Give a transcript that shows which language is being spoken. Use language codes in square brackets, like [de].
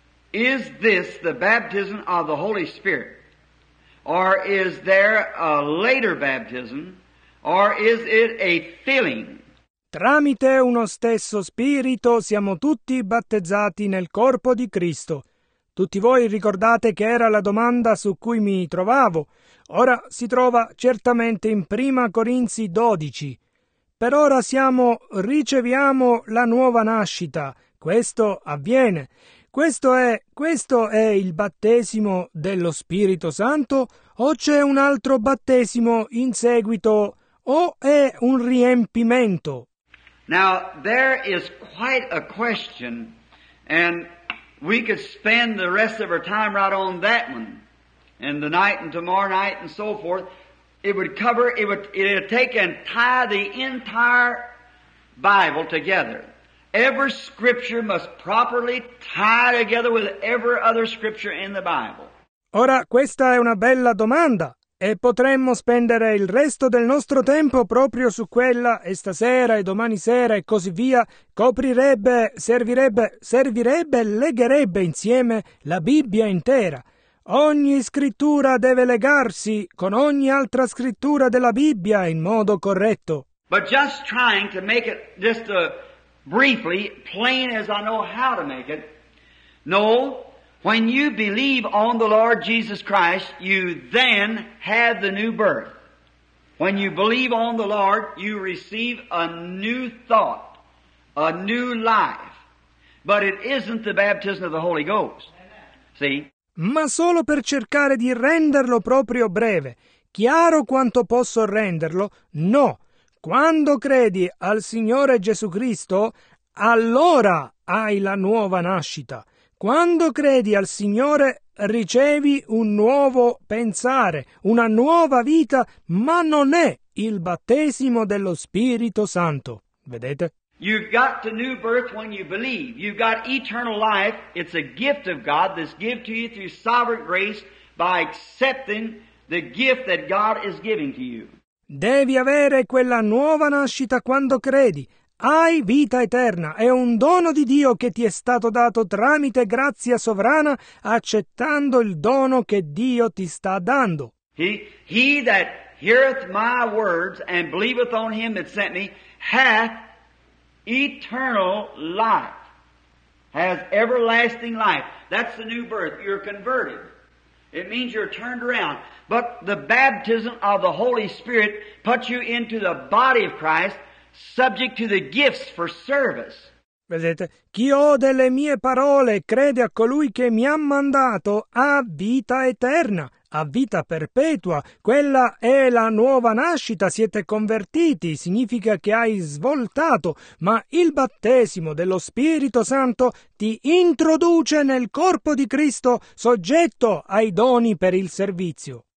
[en] Is this the baptism of the Holy Spirit? Or is there a later baptism? Or is it a filling? [it] Tramite uno stesso spirito siamo tutti battezzati nel corpo di Cristo. Tutti voi ricordate che era la domanda su cui mi trovavo. Ora si trova certamente in 1 Corinzi 12. Per ora riceviamo la nuova nascita. Questo avviene. Questo è il battesimo dello Spirito Santo? O c'è un altro battesimo in seguito? O è un riempimento? [en] Now, there is quite a question, and we could spend the rest of our time right on that one, and the night and tomorrow night and so forth. It would take and tie the entire Bible together. Every scripture must properly tie together with every other scripture in the Bible. [it] Ora, questa è una bella domanda e potremmo spendere il resto del nostro tempo proprio su quella e stasera e domani sera e così via. Coprirebbe, servirebbe, legherebbe insieme la Bibbia intera. Ogni scrittura deve legarsi con ogni altra scrittura della Bibbia in modo corretto. [en] But just trying to make it just briefly, plain as I know how to make it. No, when you believe on the Lord Jesus Christ, you then have the new birth. When you believe on the Lord, you receive a new thought, a new life. But it isn't the baptism of the Holy Ghost. See? [it] Ma solo per cercare di renderlo proprio breve, chiaro quanto posso renderlo, no. Quando credi al Signore Gesù Cristo, allora hai la nuova nascita. Quando credi al Signore, ricevi un nuovo pensare, una nuova vita, ma non è il battesimo dello Spirito Santo. Vedete? [en] You've got the new birth when you believe. You've got eternal life. It's a gift of God that's given to you through sovereign grace by accepting the gift that God is giving to you. [it] Devi avere quella nuova nascita quando credi. Hai vita eterna. È un dono di Dio che ti è stato dato tramite grazia sovrana, accettando il dono che Dio ti sta dando. [en] He that heareth my words and believeth on him that sent me hath eternal life, has everlasting life. That's the new birth. You're converted. It means you're turned around. But the baptism of the Holy Spirit puts you into the body of Christ, subject to the gifts for service. [it] Vedete, chi ode le mie parole e crede a colui che mi ha mandato ha vita eterna, ha vita perpetua. Quella è la nuova nascita, siete convertiti, significa che hai svoltato, ma il battesimo dello Spirito Santo ti introduce nel corpo di Cristo, soggetto ai doni per il servizio.